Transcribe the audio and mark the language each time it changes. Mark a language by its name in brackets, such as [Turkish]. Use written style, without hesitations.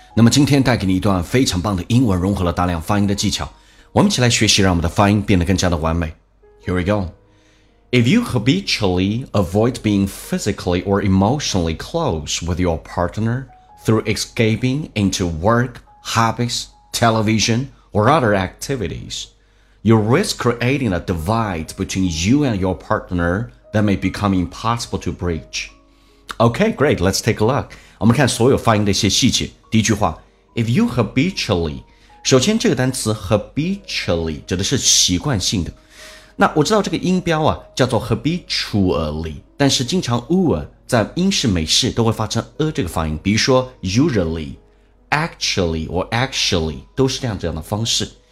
[Chinese] 那么今天带给你一段非常棒的英文，融合了大量发音的技巧，我们一起来学习，让我们的发音变得更加的完美。 [English] Here we go. If you habitually avoid being physically or emotionally close with your partner through escaping into work, hobbies, television, or other activities, you risk creating a divide between you and your partner that may become impossible to breach. Okay, great, let's take a look. [Chinese] 我们看所有发音的一些细节。第一句话， [English] If you habitually, [Chinese] 首先这个单词 habitually 指的是习惯性的。那我知道这个音标啊叫做 habitually, 但是经常 在英式美式都会发成这个发音，比如说 [English] usually, actually, or actually, [Chinese] 都是这样的方式。